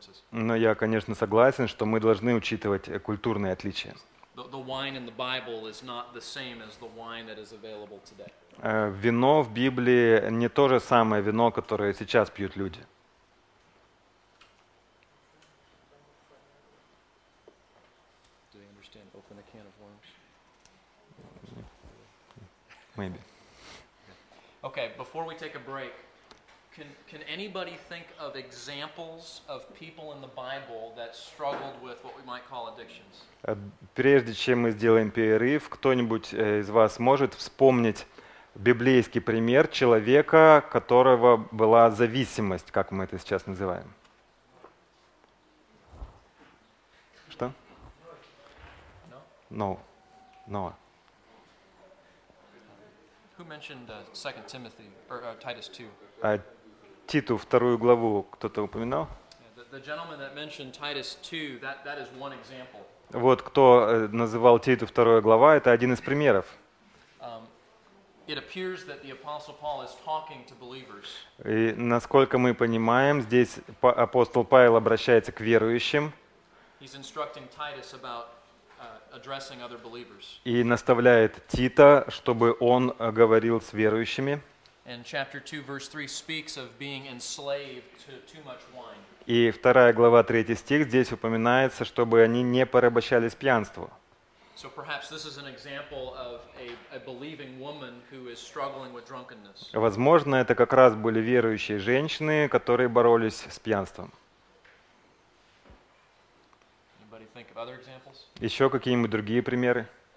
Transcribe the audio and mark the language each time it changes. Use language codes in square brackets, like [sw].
[ru] Но я, конечно, согласен, что мы должны учитывать культурные отличия. [en] The wine in the Bible is not the same as the wine that is available today. [ru] Вино в Библии не то же самое вино, которое сейчас пьют люди. [en] Do you understand? Open a can of worms. Maybe. Okay, before we take a break, can anybody think of examples of people in the Bible that struggled with what we might call addictions? [ru] Прежде чем мы сделаем перерыв, кто-нибудь из вас может вспомнить библейский пример человека, у которого была зависимость, как мы это сейчас называем? Что? Ноа. [en] Who mentioned 2 Timothy or Titus 2? [ru] Титу, вторую главу, кто-то упоминал? [en] Yeah, the, the gentleman that mentioned Titus 2, that is one example. [ru] Вот кто называл Титу 2 глава, это один из примеров. [en] It appears that the apostle Paul is talking to believers. [ru] И насколько мы понимаем, здесь апостол Павел обращается к верующим. [en] He's instructing Titus about addressing other believers. [ru] И наставляет Тита, чтобы он говорил с верующими. [en] And chapter 2 verse 3 speaks of being enslaved to too much wine. [ru] И 2 глава 3 стих здесь упоминается, чтобы они не порабощались пьянству. [en] So perhaps this is an example of a believing woman who is struggling with drunkenness. [ru] Возможно, это как раз были верующие женщины, которые боролись с пьянством. [en] Anybody think of other examples? [ru] Еще какие-нибудь другие примеры?